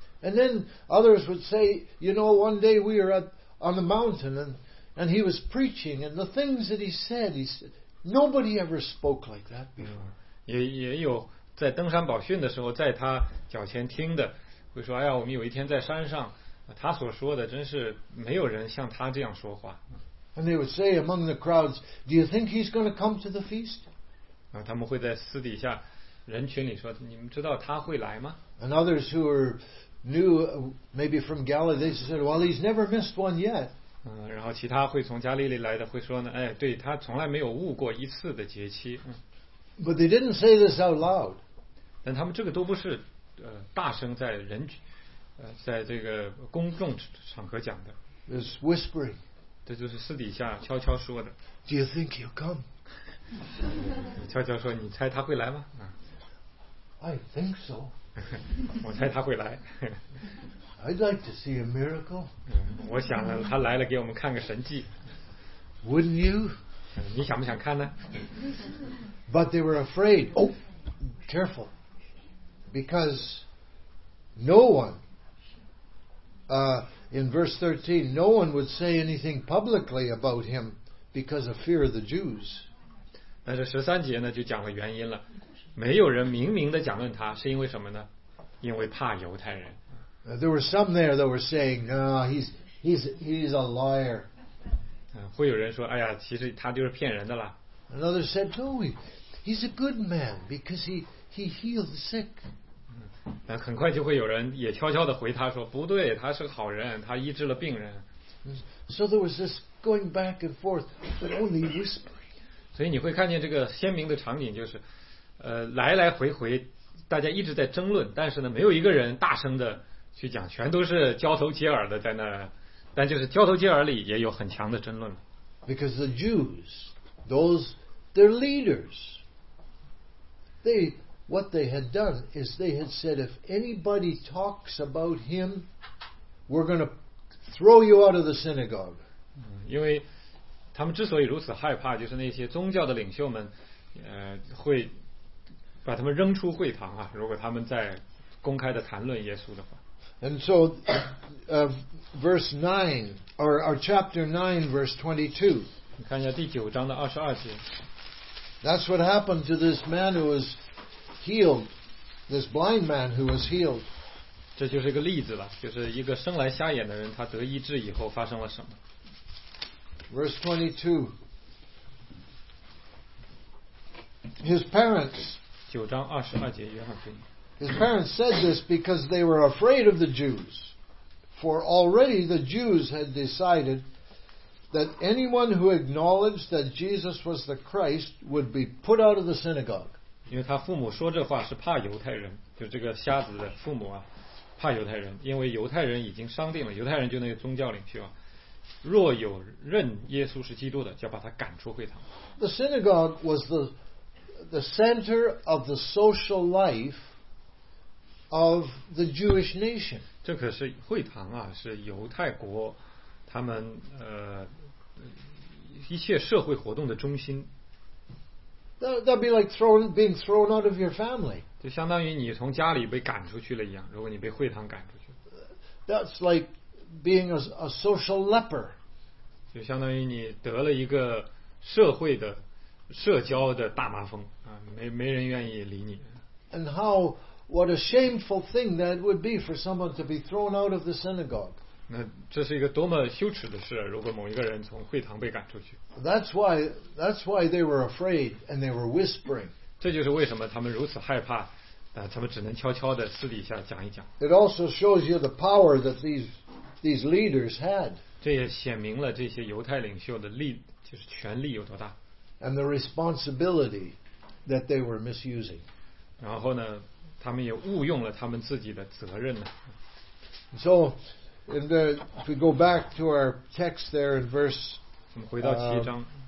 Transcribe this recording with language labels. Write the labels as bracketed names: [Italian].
[English] And then others would say, you know, one day we were on the mountain and he was preaching and the things that he said, nobody ever spoke like that before. [Chinese] 也有在登山宝训的时候，在他脚前听的，会说：“哎呀，我们有一天在山上，他所说的真是没有人像他这样说话。” [English] And they would say among the crowds, "Do you think he's going to come to the feast?" [Chinese] 啊，他们会在私底下人群里说：“你们知道他会来吗？” [English] And others who were new, maybe from Galilee, they said, "Well, he's never missed one yet." [Chinese] 然后其他会从加利利来的会说呢：“哎，对他从来没有误过一次的节期。” [English] But they didn't say this out loud. [Chinese] 但他们这个都不是大声在人在这个公众场合讲的。 [English] It's whispering. [Chinese] 这就是私底下悄悄说的。 [English] Do you think he'll come? [Chinese] 悄悄说，你猜他会来吗？ [English] I think so. [Chinese] 我猜他会来。 [English] I'd like to see a miracle. [Chinese] 我想了，他来了给我们看个神迹。 [English] Wouldn't you? [Chinese] 你想不想看呢？ [English] But they were afraid. Oh, careful. Because no one, in verse 13, no one would say anything publicly about him because of fear of the Jews. [Chinese] 但是十三节呢，就讲了原因了。没有人明明的讲论他，是因为什么呢？因为怕犹太人。 [English] There were some there that were saying, he's a liar. [Chinese] 会有人说，哎呀，其实他就是骗人的啦。 [English] And others said, no, he's a good man because he healed the sick. [Chinese] 那很快就会有人也悄悄地回他说，不对，他是个好人，他医治了病人。 [English] So there was this going back and forth, but only whispering. [Chinese] 所以你会看见这个鲜明的场景，就是，来来回回，大家一直在争论，但是呢，没有一个人大声地去讲，全都是交头接耳的在那，但就是交头接耳里也有很强的争论。 [English] Because the Jews, their leaders, what they had done is they had said, if anybody talks about him, we're going to throw you out of the synagogue. [Chinese] 因为他们之所以如此害怕，就是那些宗教的领袖们，会把他们扔出会堂啊，如果他们在公开的谈论耶稣的话。 [English] And so, verse 9, or chapter 9, verse 22. [Chinese] 看一下第九章的二十二节。 [English] That's what happened to this man who was healed, this blind man who was healed. [Chinese] 这就是一个例子了，就是一个生来瞎眼的人，他得医治以后发生了什么。 [English] Verse 22. His parents. [Chinese] 九章二十二节，约翰福音。 [English] His parents said this because they were afraid of the Jews. For already the Jews had decided that anyone who acknowledged that Jesus was the Christ would be put out of the synagogue. [Chinese] 因为他父母说这话是怕犹太人，就这个瞎子的父母啊，怕犹太人，因为犹太人已经商定了，犹太人就那个宗教领袖啊，若有认耶稣是基督的，就要把他赶出会堂。 [English] The synagogue was the center of the social life of the Jewish nation. [Chinese] 这可是会堂啊，是犹太国他们一切社会活动的中心。 [English] That'd be like being thrown out of your family. [Chinese] 就相当于你从家里被赶出去了一样，如果你被会堂赶出去。 [English] That's like being a social leper. [Chinese] 就相当于你得了一个社会的社交的大麻风啊，没人愿意理你。 [English] And how what a shameful thing that would be for someone to be thrown out of the synagogue. [Chinese] 那这是一个多么羞耻的事，如果某一个人从会堂被赶出去。 [English] That's why they were afraid and they were whispering. [Chinese] 这就是为什么他们如此害怕，他们只能悄悄的私底下讲一讲。 [English] It also shows you the power that these leaders had. [Chinese] 这也显明了这些犹太领袖的力，就是权力有多大。 [English] And the responsibility that they were misusing. [Chinese] 然后呢，他们也误用了他们自己的责任呢。 [English] So, in the, if we go back to our text there in verse 13.